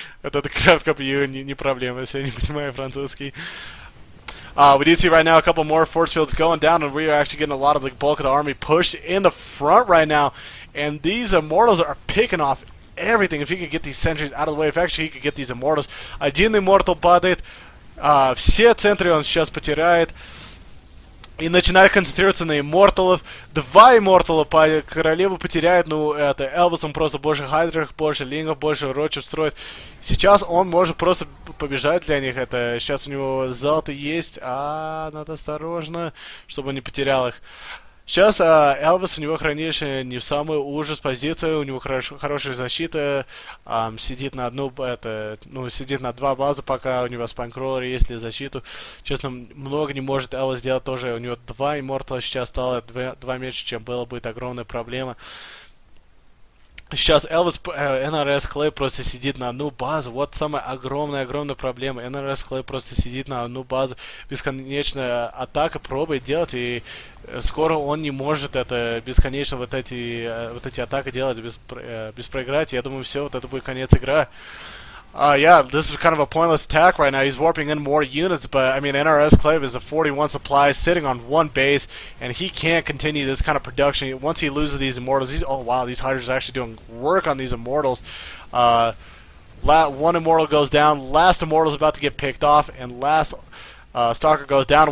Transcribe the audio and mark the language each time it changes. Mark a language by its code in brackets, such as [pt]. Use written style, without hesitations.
[ru] Это the Craft Cup EU, не проблема, если я не понимаю французский. [en] We do see right now a couple more force fields going down, and we are actually getting a lot of the bulk of the army pushed in the front right now. And these Immortals are picking off everything. If he could get these sentries out of the way, if actually he could get these Immortals. [ru] Один Immortal падает, все центры он сейчас потеряет. И начинает концентрироваться на имморталов. Два имморталов королевы потеряют. Ну, это Элвис, он просто больше хайдеров, больше лингов, больше рочев строит. Сейчас он может просто побежать для них. Это сейчас у него золото есть. Надо осторожно, чтобы он не потерял их. Сейчас Элвис, у него хранилище не в самую ужас позицию. У него хорошая защита. Сидит на одну, сидит на два базы, пока у него спайнкроллер есть для защиты. Честно, много не может Элвис сделать тоже. У него два имморта сейчас стало, два меньше, чем было, будет огромная проблема. Сейчас Элвис, NRS Clay просто сидит на одну базу. Вот самая огромная проблема. NRS Clay просто сидит на одну базу. Бесконечная атака пробует делать, и скоро он не может это бесконечно вот эти атаки делать без проиграть. Я думаю, все, вот это будет конец игры. [en] This is kind of a pointless attack right now. He's warping in more units, but I mean, NRS Clave is a 41 supply sitting on one base, and he can't continue this kind of production. Once he loses these immortals, these hydras are actually doing work on these immortals. One immortal goes down, last immortal is about to get picked off, and last stalker goes down.